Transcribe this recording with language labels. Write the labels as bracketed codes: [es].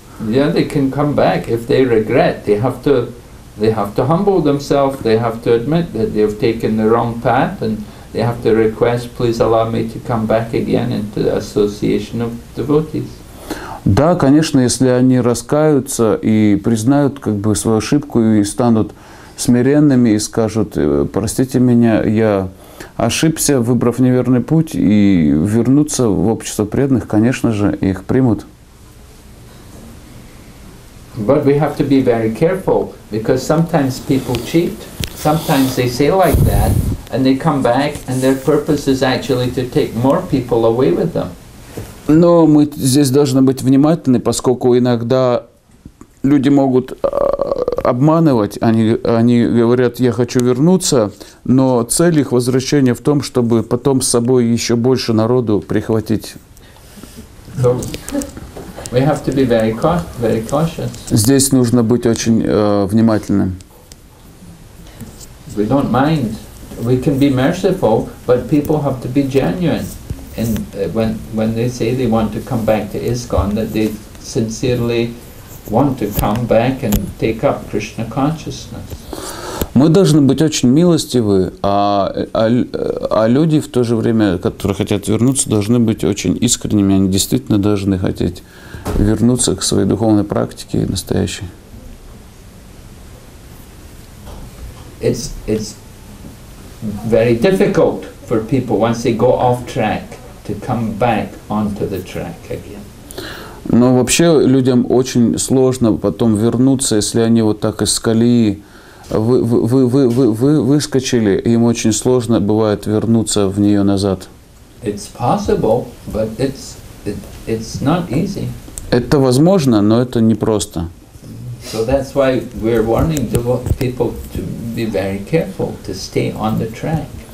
[en] Yeah, they can come back if they regret. They have to humble themselves. They have to admit that they have taken the wrong path, and they have to request, please allow me to come back again into the association of devotees. [ru] Да, конечно, если они раскаются и признают как бы свою ошибку и станут смиренными и скажут, простите меня, я ошибся, выбрав неверный путь, и вернуться в общество преданных, конечно же, их примут. [en] But we have to be very careful, because sometimes people cheat. Sometimes they say like that, and they come back, and their purpose is actually to take more people away with them. [ru] Но мы здесь должны быть внимательны, поскольку иногда люди могут обманывать. Они говорят, я хочу вернуться, но цель их возвращения в том, чтобы потом с собой еще больше народу прихватить. [en] So we have to be very cautious. [ru] Здесь нужно быть очень внимательным. [en] We don't mind. We can be merciful, but people have to be genuine. And when they say they want to come back to ISKCON, that they sincerely want to come back and take up Krishna consciousness. [ru] Мы должны быть очень милостивы, а люди в то же время, которые хотят вернуться, должны быть очень искренними. Они действительно должны хотеть вернуться к своей духовной практике настоящей. [en] It's very difficult for people once they go off track to come back onto the track again. [ru] Но вообще людям очень сложно потом вернуться, если они вот так из колеи выскочили, им очень сложно бывает вернуться в нее назад. [en] It's possible, but it's not easy. [ru] Это возможно, но это непросто. [en] So that's why we're warning people to be very careful to stay on the track.